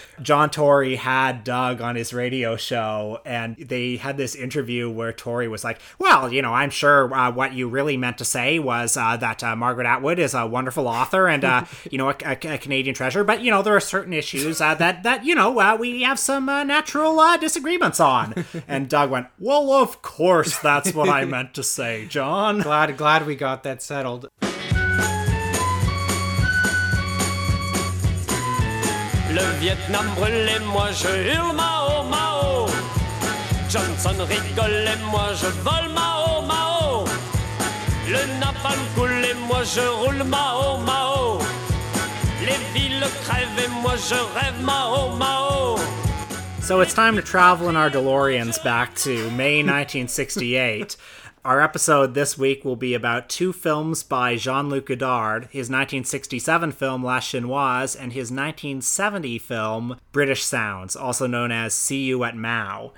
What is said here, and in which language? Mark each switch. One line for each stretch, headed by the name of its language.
English: John Tory had Doug on his radio show, and they had this interview where Tory was like, well, you know, I'm sure what you really meant to say was that Margaret Atwood is a wonderful author and, you know, a Canadian treasure. But, you know, there are certain issues we have some natural disagreements on. And Doug went, well, of course, that's what I meant to say, John. Glad we got that settled.
French: Le Vietnam brûle et moi je hurle Mao Mao. Johnson rigole et moi je vole Mao Mao. Le napalm coule et moi je roule Mao Mao. Les villes crèvent et moi je rêve Mao Mao.
English: So it's time to travel in our DeLoreans back to May 1968. Our episode this week will be about two films by Jean-Luc Godard, his 1967 film La Chinoise and his 1970 film British Sounds, also known as See You at Mao.